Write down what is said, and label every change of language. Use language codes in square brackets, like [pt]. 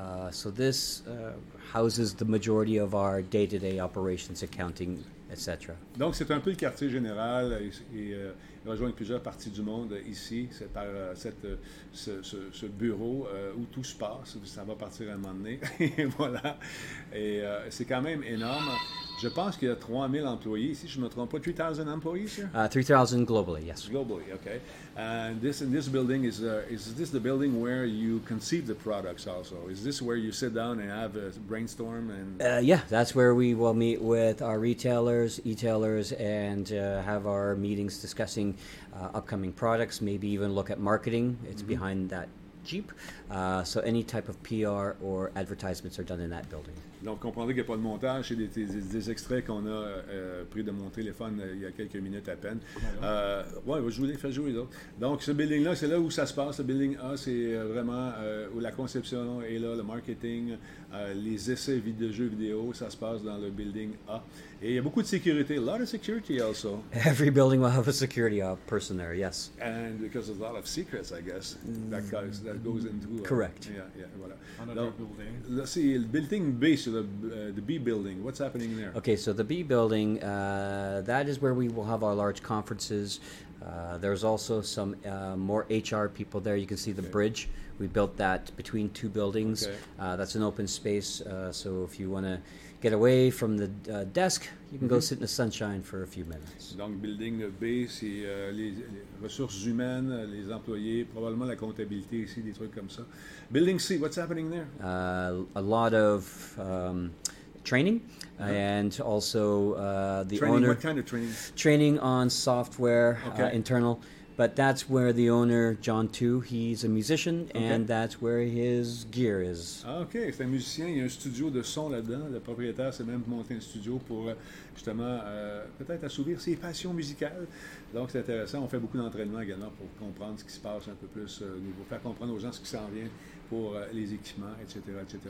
[en] So this houses the majority of our day-to-day operations, accounting, etc. [fr] Donc c'est un peu le quartier général et rejoint plusieurs parties du monde ici. C'est par ce bureau où tout se passe. Ça va partir à un moment donné. Voilà. Et c'est quand même énorme. Je pense qu'il y a 3000 employés ici. Je ne me trompe pas. [en] 3000 employees here? 3000 globally, yes. Globally, okay. And this building is this the building where you conceive the products also? Is this where you sit down and have a brainstorm? And yeah, that's where we will meet with our retailers, e-tailers, and have our meetings discussing upcoming products, maybe even look at marketing. It's behind that Jeep. So any type of PR or advertisements are done in that building. [fr] Donc, comprendre qu'il n'y a pas de montage, c'est des extraits qu'on a pris de mon téléphone il y a quelques minutes à peine. Je voulais faire jouer là. Donc, ce building-là, c'est là où ça se passe. Le building A, c'est vraiment où la conception est là, le marketing, les essais de jeux vidéo, ça se passe dans le building A. Et il y a beaucoup de sécurité. [en] A lot of security also. Every building will have a security person there, yes. And because there's a lot of secrets, I guess, that goes into... Correct. [fr] Yeah, voilà. [en] Another building. Let's see, building B. So the B building, what's happening there? Okay, so the B building, that is where we will have our large conferences. There's also some more HR people there. You can see the bridge. We built that between two buildings. Okay. That's an open space. So if you want to get away from the desk, you can go sit in the sunshine for a few minutes. [fr] Donc, building B, c'est les ressources humaines, les employés, probablement la comptabilité ici, des trucs comme ça. [en] Building C, what's happening there? A lot of training. And also the training, owner. What kind of training? Training on software, okay. Internal. But that's where the owner, John Tu, he's a musician, and that's where his gear is. [fr] Okay, c'est un musicien, il y a un studio de son là-dedans. Le propriétaire s'est même monté un studio pour justement peut-être assouvir ses passions musicales. Donc c'est intéressant, on fait beaucoup d'entraînement également pour comprendre ce qui se passe un peu plus au niveau, faire comprendre aux gens ce qui s'en vient pour les équipements, etc., etc.